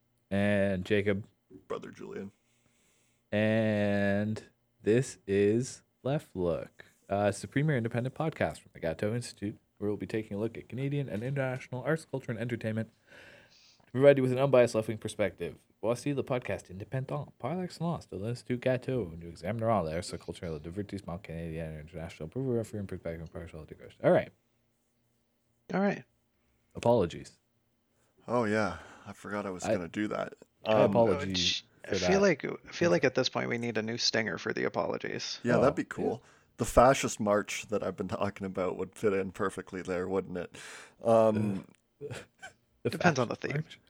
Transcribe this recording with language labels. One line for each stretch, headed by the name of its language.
English: And Jacob. Brother Julian. And this is Left Look. It's the premier independent podcast from the Gâteau Institute, where we'll be taking a look at Canadian and international arts, culture, and entertainment to provide you with an unbiased left-wing perspective.
French: Voici le podcast indépendant, par excellence, de l'Institut Gâteau, où nous examinerons l'air, sa culture, le divertissement canadien et international, pour vous offrir une perspective impartiale de gauche.
English: All right. Apologies. Oh, yeah. I forgot I was going to do that. Apologies. I feel like at this point we need a new stinger for the apologies. Yeah, that'd be cool. Yeah. The fascist march that I've been talking about would fit in perfectly there, wouldn't it? Depends on the theme.